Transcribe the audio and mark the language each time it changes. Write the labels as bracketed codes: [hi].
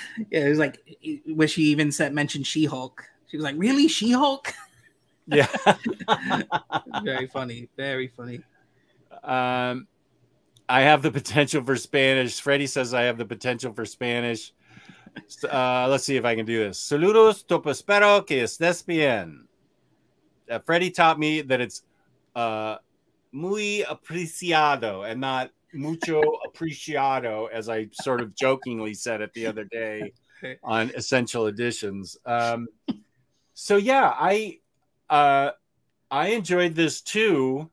[en] Yeah. It was like, when she even mentioned She-Hulk. She was like, really? She-Hulk? Yeah. Very funny. Very funny. I have the potential for Spanish. Freddie says I have the potential for Spanish. Let's see if I can do this. [es] Saludos, topo espero que estés bien. [en] Freddie taught me that it's [es] muy apreciado [en] and not [es] mucho apreciado, [en] as I sort of jokingly said it the other day on Essential Editions. So yeah, I enjoyed this too.